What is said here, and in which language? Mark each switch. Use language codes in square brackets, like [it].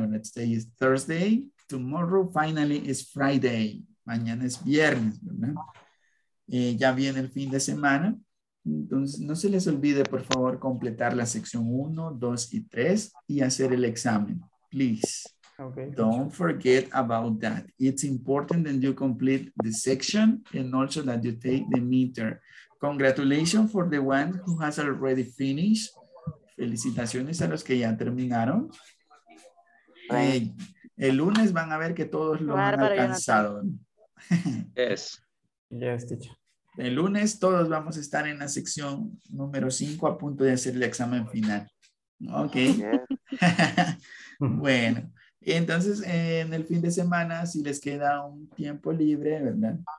[en] Today is Thursday. Tomorrow, finally, is Friday. [es] Mañana es viernes, ¿verdad? Ya viene el fin de semana. Entonces, no se les olvide, por favor, completar la sección 1, 2 y 3 y hacer el examen. Please. [en] Okay. Don't forget about that. It's important that you complete the section and also that you take the meter. Congratulations for the one who has already finished. [es] Felicitaciones a los que ya terminaron. El lunes van a ver que todos lo han alcanzado. [en] Yes. Yes, teacher. [es] El lunes todos vamos a estar en la sección número 5 a punto de hacer el examen final. Ok. Yeah. Bueno. Entonces, en el fin de semana, si les queda un tiempo libre, ¿verdad?